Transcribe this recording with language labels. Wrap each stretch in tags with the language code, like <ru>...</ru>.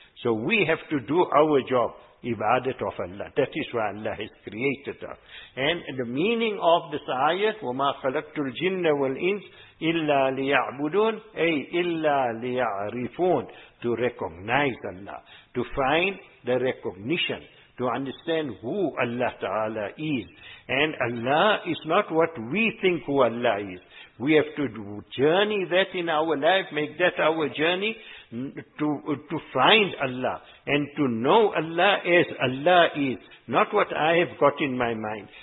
<en>So we have to do our job, ibadat of Allah. That is why Allah has created us. And the meaning of this ayat,</en> <ar>وَمَا خَلَقْتُ الْجِنَّ وَالْإِنْسِ إِلَّا لِيَعْبُدُونَ أَيْ إِلَّا لِيَعْرِفُونَ.</ar> <en>To recognize Allah, to find the recognition, to understand who Allah Ta'ala is. And Allah is not what we think who Allah is. We have to journey that in our life, make that our journey to find Allah and to know Allah as Allah is, not what I have got in my mind.</en>